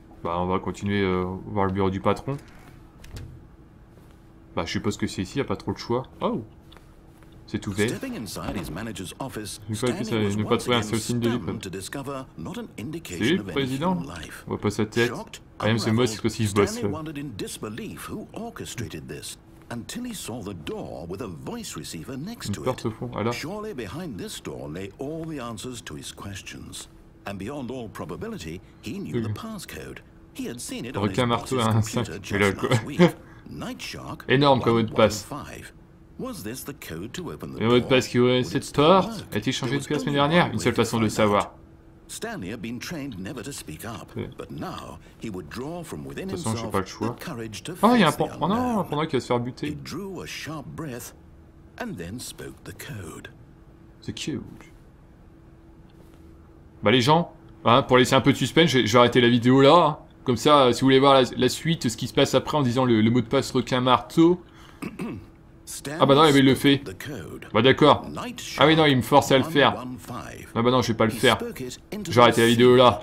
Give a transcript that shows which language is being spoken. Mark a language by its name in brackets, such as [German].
[French] Bah, on va continuer voir le bureau du patron. Bah, je suppose que c'est ici, y a pas trop le choix. Oh. C'est ouvert. Une fois que ça n'a pas trouvé un seul signe de vie. Salut, président. On voit pas sa tête. Ah, même c'est moi, c'est aussi ce boss. [English] Stanley wondered in disbelief who orchestrated this until he saw the door with a voice receiver next to it. Surely behind this door lay all the answers to his questions, and beyond all probability, he knew the passcode. He had seen it on his boss's computer. Night Shark. [French] Énorme comme mot de passe. [English] Was this the code to open the door? [French] Mot de passe qui ouvrait cette porte a-t-il changé depuis la semaine dernière? Une seule façon de le savoir. [English] Stanley a been trained never to speak up, but now he would draw from within himself the courage to face the unknown. [French] Ah, il y a un pendant, un pendant qui va se faire buter. [English] He drew a sharp breath, and then spoke the code. [French] C'est qui? Bah les gens, hein, pour laisser un peu de suspense, je vais arrêter la vidéo là. Comme ça, si vous voulez voir la suite, ce qui se passe après en disant le mot de passe requin marteau. Ah bah non, il le fait. Bah d'accord. Ah oui, non, il me force à le faire. Ah bah non, je vais pas le faire. J'ai arrêté la vidéo là.